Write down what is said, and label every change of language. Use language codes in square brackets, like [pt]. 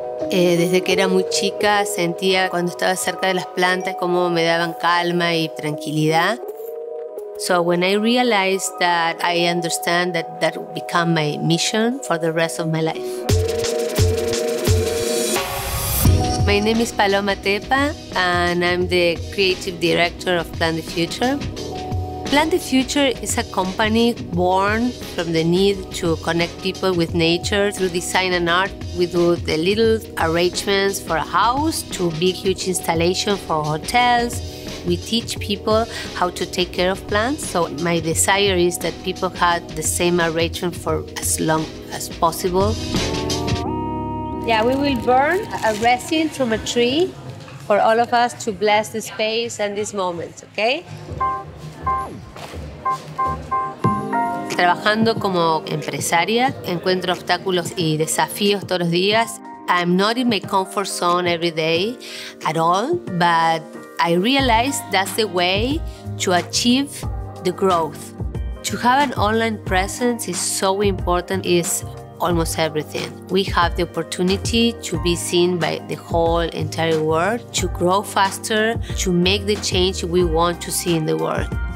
[es] Desde que era muy chica sentía cuando estaba cerca de las plantas cómo me daban calma y tranquilidad. [en] So when I realized that, I understand that that would become my mission for the rest of my life. My name is Paloma Teppa, and I'm the creative director of Plant the Future. Plant the Future is a company born from the need to connect people with nature through design and art. We do the little arrangements for a house to big, huge installation for hotels. We teach people how to take care of plants. So my desire is that people have the same arrangement for as long as possible. Yeah, we will burn a resin from a tree for all of us to bless the space and this moment, okay? [es] Trabajando como empresaria, encuentro obstáculos y desafíos todos los días. [en] I'm not in my comfort zone every day at all, but I realize that's the way to achieve the growth. To have an online presence is so important, it's almost everything. We have the opportunity to be seen by the whole entire world, to grow faster, to make the change we want to see in the world.